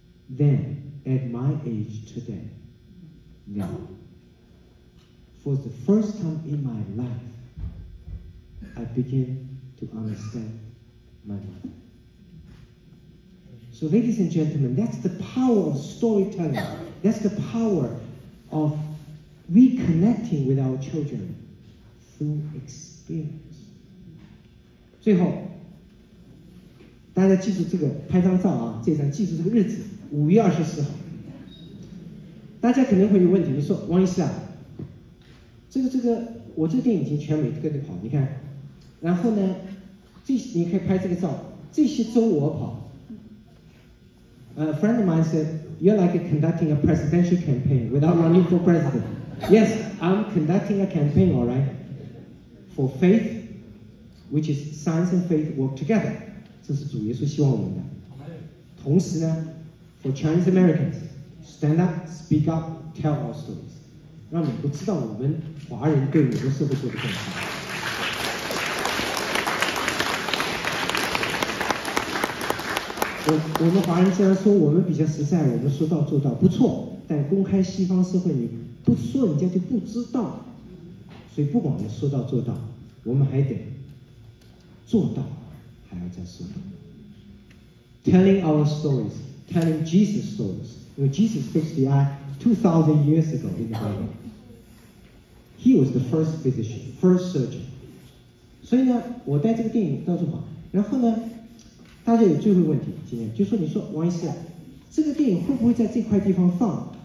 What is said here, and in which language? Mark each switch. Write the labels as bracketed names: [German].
[English] Then, at my age today, now, for the first time in my life, I begin to understand my mom. So, ladies and gentlemen, that's the power of storytelling. That's the power of reconnecting with our children through experience. [Chinese] 最后大家记住这个，拍张照啊，这张记住这个日子，5月24号。大家可能会有问题，你说王医师啊，这个我这个电影已经全美各地跑，你看，然后呢，这你可以拍这个照，这些周我跑。 [English] Friend of mine said you're like conducting a presidential campaign without running for president. Yes, I'm conducting a campaign, all right, for faith, which is science and faith work together. [Chinese] 这是主耶稣希望我们的。同时呢 ， [English] For Chinese Americans, stand up, speak up, tell our stories， [Chinese] 让美国知道我们华人对美国社会做的贡献。我们华人虽然说我们比较实在，我们说到做到，不错。但公开西方社会，你不说人家就不知道。所以不管我们说到做到，我们还得做到。还要再说 [English] telling our stories, telling Jesus stories, when Jesus fixed the eye 2,000 years ago in the Bible, he was the first physician, first surgeon. [Chinese] 所以呢，我带这个电影到处跑，然后呢，大家有最后问题，今天就说你说王医师，这个电影会不会在这块地方放？